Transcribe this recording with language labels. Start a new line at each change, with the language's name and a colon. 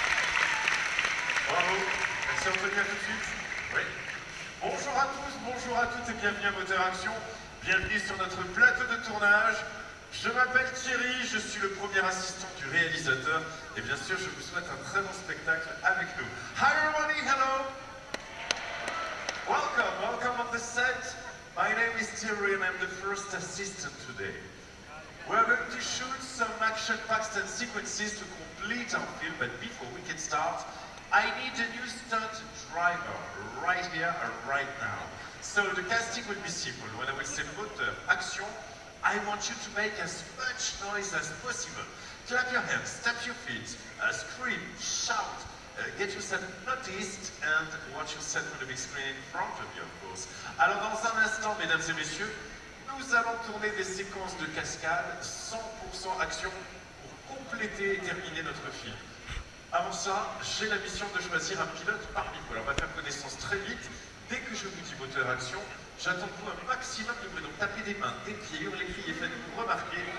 French: Merci, on peut le dire tout de suite. Oui. Bonjour à tous, bonjour à toutes et bienvenue à Moteur Action. Bienvenue sur notre plateau de tournage. Je m'appelle Thierry, je suis le premier assistant du réalisateur. Et bien sûr, je vous souhaite un très bon spectacle avec nous.
English: Hi everybody, hello. Welcome, welcome on the set. My name is Thierry and I'm the first assistant today. We are going to shoot some action-packed and sequences to complete our film, but before we can start, I need a new stunt driver right here and right now. So the casting will be simple. When I will say moteur, action, I want you to make as much noise as possible. Clap your hands, tap your feet, scream, shout, get yourself noticed and watch yourself on the big screen in front of you, of course.
French: Alors dans un instant, mesdames et messieurs, nous allons tourner des séquences de cascade 100% action pour compléter et terminer notre film. Avant ça, j'ai la mission de choisir un pilote parmi vous. Alors on va faire connaissance très vite. Dès que je vous dis moteur action, j'attends pour un maximum de bruit. Donc tapez des mains, des pieds, hurlez, criez, faites vous remarquer.